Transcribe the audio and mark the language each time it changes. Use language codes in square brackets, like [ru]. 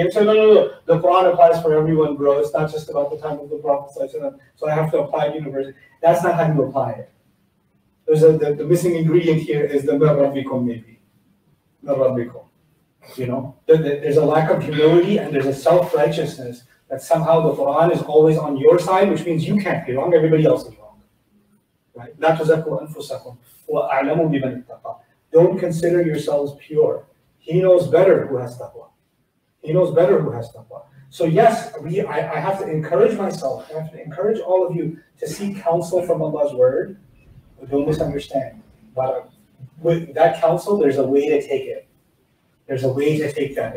[en] And so, no, the Quran applies for everyone, bro. It's not just about the time of the Prophet. So I have to apply it universally. That's not how you apply it. there's a, the missing ingredient here is the marabikum maybe. Marabikum. You know, there's a lack of humility and there's a self-righteousness that somehow the Quran is always on your side, which means you can't be wrong, everybody else is wrong. Right? [ar] لا تزكوا أنفسكم وأعلموا بمن التقى. [en] Don't consider yourselves pure. He knows better who has taqwa. He knows better who has taqwa. So yes, I have to encourage myself, I have to encourage all of you to seek counsel from Allah's word, but don't misunderstand. But with that counsel, there's a way to take it. There's a way to take that.